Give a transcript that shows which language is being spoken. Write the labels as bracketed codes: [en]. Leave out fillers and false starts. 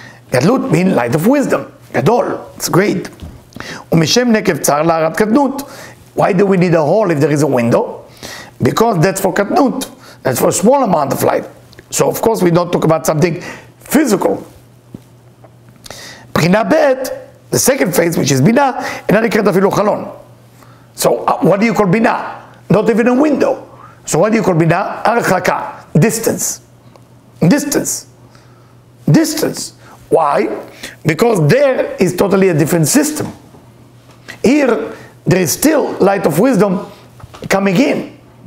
[en] Gadlut means light of wisdom. Gadol. It's great. [he] ומשם נקב צר להערת קטנות. [en] Why do we need a hole if there is a window? Because that's for קטנות. That's for a small amount of light. So of course we don't talk about something physical. [he] בחינה ב', [en] the second phase, which is [he] בינה, אינה נקראת אפילו חלון. [en] So what do you call בינה? Not even a window. So what do you call bina? Arhaka. Distance. Distance. Distance. Why? Because there is totally a different system. Here, there is still light of wisdom coming in.